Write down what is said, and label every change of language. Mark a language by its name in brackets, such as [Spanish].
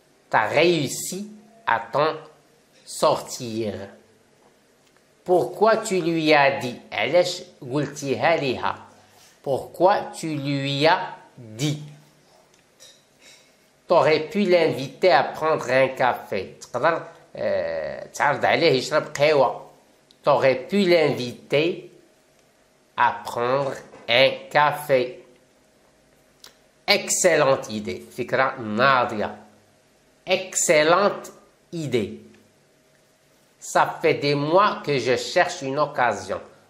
[French] T'as réussi à t'en sortir. Pourquoi tu lui as dit? [Arabic] علاش قلتيها ليها? [French] Pourquoi tu lui as dit? T'aurais pu l'inviter à prendre un café. [Arabic] تقدر تعرض عليه يشرب قهوة. [French] T'aurais pu l'inviter à prendre un café. Excellente idée. [Arabic] Fikra Nadia. [French] Excellente idée. Ça fait des mois que je cherche une occasion.